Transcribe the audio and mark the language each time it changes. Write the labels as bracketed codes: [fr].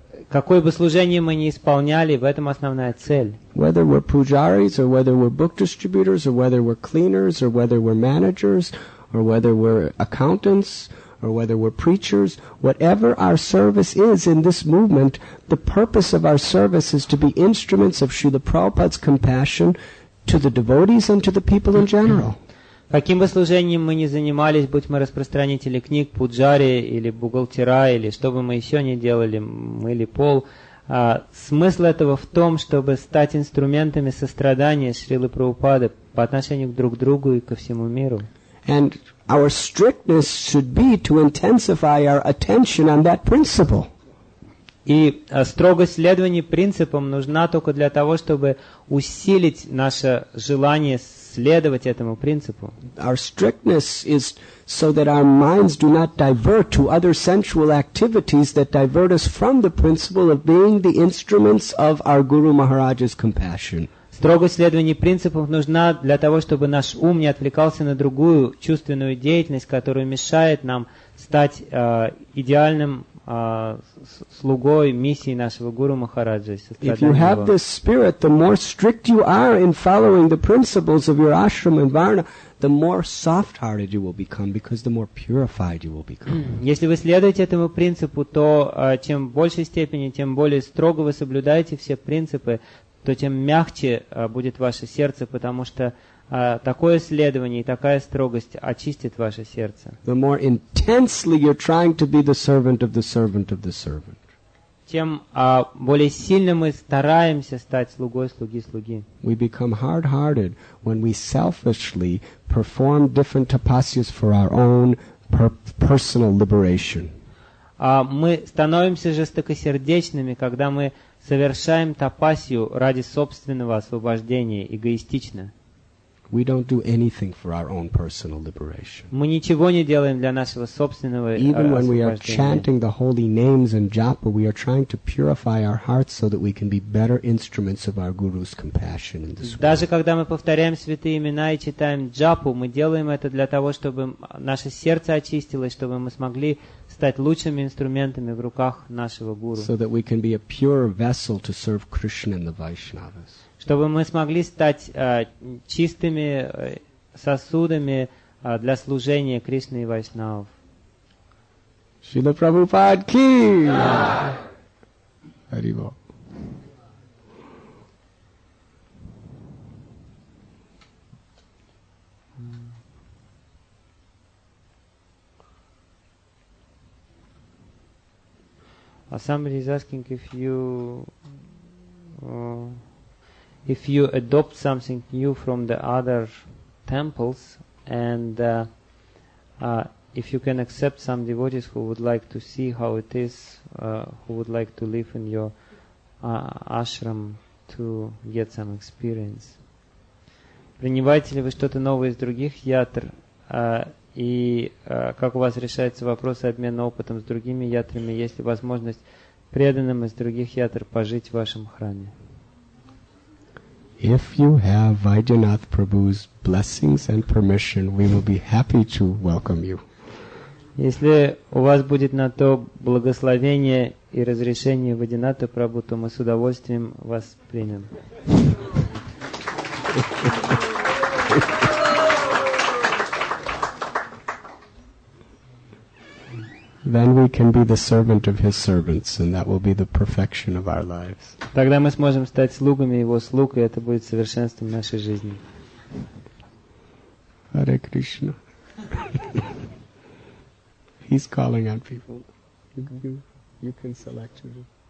[ru] Какое бы служение мы ни исполняли, в этом основная цель. [en] Whether we're pujaris, or whether we're book distributors, or whether we're cleaners, or whether we're managers, or whether we're accountants, or whether we're preachers, whatever our service is in this movement, the purpose of our service is to be instruments of Srila Prabhupada's compassion to the devotees and to the people in general. [ru] Каким бы служением мы ни занимались, будь мы распространители книг, пуджари или бухгалтера, или что бы мы еще ни делали, мыли пол, смысл этого в том, чтобы стать инструментами сострадания Шрилы Прабхупады по отношению друг к другу и ко всему миру. [en] And our strictness should be to intensify our attention on that principle. [ru] И строгость следования принципам нужна только для того, чтобы усилить наше желание следовать этому принципу. [en] Our strictness is so that our minds do not divert to other sensual activities that divert us from the principle of being the instruments of our Guru Maharaj's compassion. [ru] Строгость следования принципов нужна для того, чтобы наш ум не отвлекался на другую чувственную деятельность, которая мешает нам стать идеальным слугой миссии нашего Гуру Махараджа. [en] If you have this spirit, the more strict you are in following the principles of your ashram and varna, the more soft-hearted you will become, because the more purified you will become. [ru] Если вы следуете этому принципу, то чем в большей степени, тем более строго вы соблюдаете все принципы, то тем мягче будет ваше сердце, потому что такое следование и такая строгость очистит ваше сердце. [en] The more intensely you're trying to be the servant of the servant of the servant, [ru] тем более сильно мы стараемся стать слугой слуги слуги. [en] We become hard-hearted when we selfishly perform different tapasyas for our own personal liberation. [ru] Мы становимся жестокосердечными, когда мы совершаем тапасию ради собственного освобождения эгоистично. [en] We don't do anything for our own personal liberation. [ru] Мы ничего не делаем для нашего собственного освобождения. [en] Even when we are chanting the holy names in japa, we are trying to purify our hearts so that we can be better instruments of our guru's compassion in this world. [ru] Даже когда мы повторяем святые имена и читаем джапу, мы делаем это для того, чтобы наше сердце очистилось, чтобы мы смогли стать лучшими инструментами в руках нашего гуру. [en] So that we can be a pure vessel to serve Krishna and the Vaishnavas. [ru] Чтобы мы смогли стать чистыми сосудами для служения Кришне и Вайшнав. Шрила Прабхупад ки! Хари Бол. [en] Somebody is asking if you... If you adopt something new from the other temples, and if you can accept some devotees who would like to see how it is, who would like to live in your ashram to get some experience. [ru] Принимаете ли вы что-то новое из других ятр? И как у вас решается вопрос обмена опытом с другими ятрами? Есть ли возможность преданным из других ятр пожить в вашем храме? [en] If you have Vaidyanath Prabhu's blessings and permission, we will be happy to welcome you. [ru] Если у вас будет на то благословение и разрешение Вайдянатха Прабху, то мы с удовольствием вас примем. [en] Then we can be the servant of his servants, and that will be the perfection of our lives. [ru] Тогда мы сможем стать слугами его слуг, и это будет совершенством нашей жизни. [en] Hare Krishna. He's calling on people. You can select your...